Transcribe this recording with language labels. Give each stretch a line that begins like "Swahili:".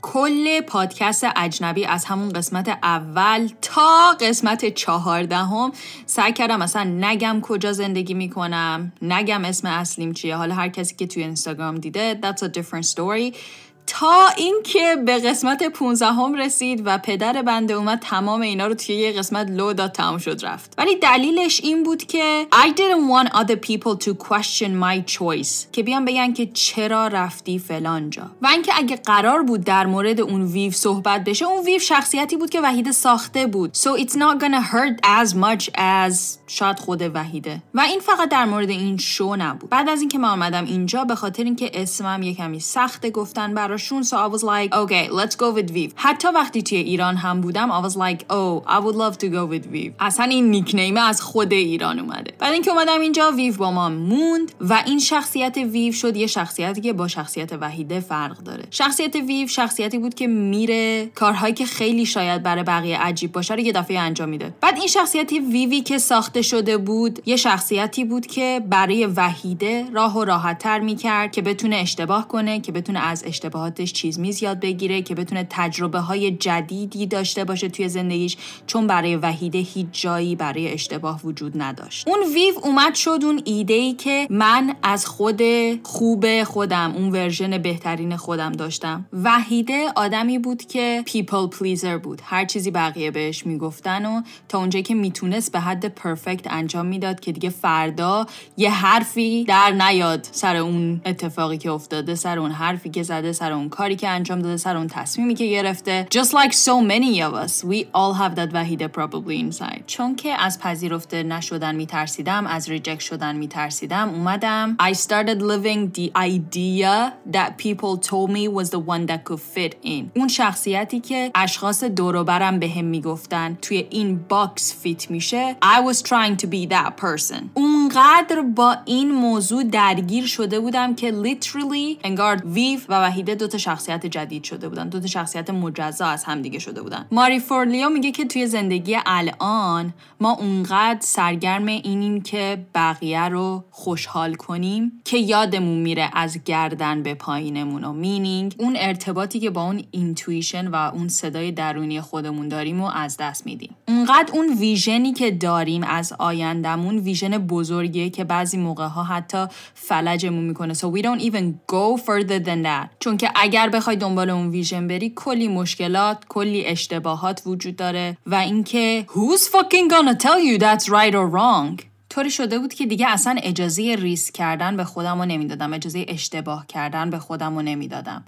Persian: کل پادکست اجنبی از همون قسمت اول تا قسمت 14 سعی کردم اصلا نگم کجا زندگی میکنم، نگم اسم اصلیم چیه، حالا هر کسی که توی اینستاگرام دیده
English: that's a different story.
Persian: تا اینکه به قسمت 15 رسید و پدر بنده اومد تمام اینا رو توی یه قسمت لو داد تمام شد رفت. ولی دلیلش این بود که
English: I didn't want other people to question my choice.
Persian: که بیان بگن که چرا رفتی فلان جا. و اینکه اگه قرار بود در مورد اون ویو صحبت بشه، اون ویو شخصیتی بود که وحیده ساخته بود.
English: So it's not gonna hurt as much as
Persian: شاید خود وحیده. و این فقط در مورد این شو نبود. بعد از اینکه من اومدم اینجا به خاطر اینکه اسمم یکمی سخت گفتن براشون،
English: so I was like okay let's go with Viv.
Persian: حتی وقتی توی ایران هم بودم
English: I was like oh I would love to go with Viv.
Persian: اصلا این نیکنیم از خود ایران اومده. بعد اینکه اومدم اینجا Viv با ما موند و این شخصیت Viv شد یه شخصیتی که با شخصیت وحیده فرق داره. شخصیت Viv شخصیتی بود که میره کارهایی که خیلی شاید برای بقیه عجیب باشه رو یه دفعه انجام میده. بعد این شخصیت Vivی که ساخته شده بود یه شخصیتی بود که برای وحیده راه و راحت تر میکرد که بتونه اشتباه کنه، که بتونه از اشتباهاتش چیز میز یاد بگیره، که بتونه تجربه های جدیدی داشته باشه توی زندگیش، چون برای وحیده هیچ جایی برای اشتباه وجود نداشت. اون ویو اومد شد اون ایده‌ای که من از خود خوب خودم، اون ورژن بهترین خودم داشتم. وحیده آدمی بود که people pleaser بود، هر چیزی بقیه بهش میگفتن و تا اونجایی که میتونست به حد پرفکت انجام میداد که دیگه فردا یه حرفی در نیاد سر اون اتفاقی که افتاده، سر اون حرفی که زده، سر اون کاری که انجام داده، سر اون تصمیمی که گرفته.
English: Just like so many of us, we all have that Vahida probably inside.
Persian: چون که از پذیرفته نشدن میترسیدم، از ریجکت شدن میترسیدم، اومدم
English: I started living the idea that people told me was the one that could fit in.
Persian: اون شخصیتی که اشخاص دوروبرم به هم میگفتن توی این باکس فیت میشه،
English: I was trying to be that person.
Persian: اونقدر با این موضوع درگیر شده بودم که literally انگار ویف و وحیده دو دوتا شخصیت جدید شده بودن، دوتا شخصیت مجزا از هم دیگه شده بودن. ماری فورلیو میگه که توی زندگی الان ما اونقدر سرگرم اینیم که بقیه رو خوشحال کنیم که یادمون میره از گردن به پایینمون و مینینگ اون ارتباطی که با اون اینتویشن و اون صدای درونی خودمون داریم رو از دست میدیم. اونقدر اون ویژنی که داریم از آیندمون ویژن بزرگیه که بعضی موقع ها حتی فلجمون میکنه.
English: So we don't even go further than that.
Persian: چون که اگر بخوای دنبال اون ویژن بری کلی مشکلات، کلی اشتباهات وجود داره و اینکه
English: who's fucking gonna tell you that's right or wrong.
Persian: طوری شده بود که دیگه اصلا اجازه ریسک کردن به خودم رو نمیدادم، اجازه اشتباه کردن به خودم رو نمیدادم.